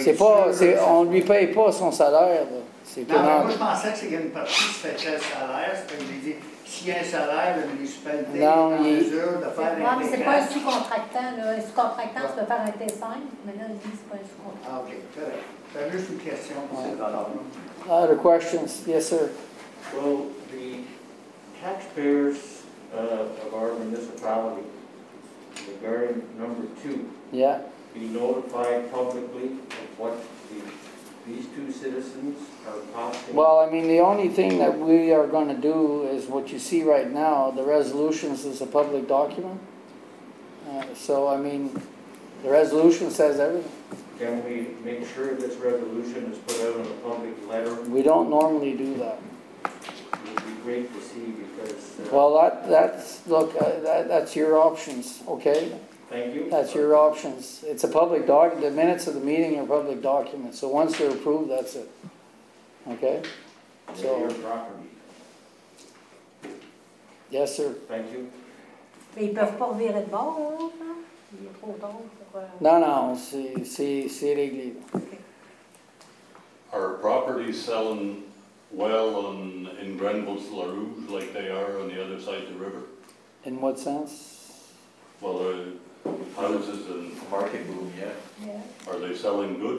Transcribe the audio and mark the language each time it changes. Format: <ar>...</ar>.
<fr>c'est pas, sûr, c'est, on ne lui paye pas son salaire. Là. C'est non, mais moi, je pensais que c'est qu'il y a une partie qui se fait tel salaire. C'est que j'ai dit, s'il y a un salaire, la municipalité est en mesure de faire un T5. Non, mais ce n'est pas un sous-contractant. Là. Un sous-contractant, tu peux faire un T5, mais là, il dit que ce n'est pas un sous-contractant. Ah, OK. Correct. C'est juste une question. Ouais. C'est</fr> <en>other questions? Yes, sir. Well, the taxpayers of our municipality, the very number two, yeah. Be notified publicly of what these two citizens are costing. Well, I mean, the only thing that we are going to do is what you see right now. The resolutions is a public document. So, I mean, the resolution says everything. Can we make sure this resolution is put out in a public letter? We don't normally do that. It would be great to see because... That's your options, okay? Thank you. That's your options. It's a public document. The minutes of the meeting are public documents. So once they're approved, that's it. Okay? So your property. Yes, sir. Thank you.</en> <fr>Mais ils peuvent pas virer de bord, là. Il est trop tard. Non, c'est réglé. Okay.</fr> <en>Are properties selling well in Grenville's La Rouge like they are on the other side of the river? In what sense? Well, houses and market boom, yeah. Yeah. Are they selling good?</en>